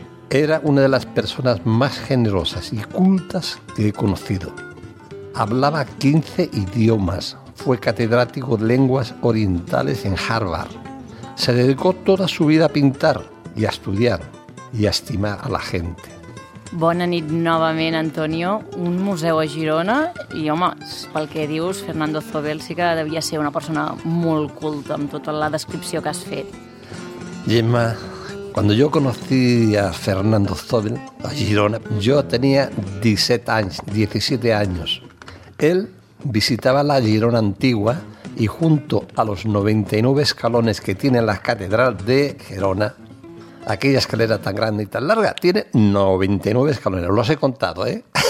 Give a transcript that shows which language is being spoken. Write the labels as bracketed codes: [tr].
[es] Era una de las personas más generosas y cultas que he conocido. Hablaba 15 idiomas, fue catedrático de lenguas orientales en Harvard. Se dedicó toda su vida a pintar y a estudiar y a estimar a la gente. [ca] Bona nit novament, Antonio. Un museu a Girona i, home, pel que dius, Fernando Zóbel sí que devia ser una persona molt culta amb tota la descripció que has fet. [es] Gemma, cuando yo conocí a Fernando Zóbel a Girona, yo tenía 17 años. Él visitaba la Girona antigua y junto a los 99 escalones que tiene la catedral de Girona, aquella escalera tan grande y tan larga, tiene 99 escalones. Los he contado, ¿eh?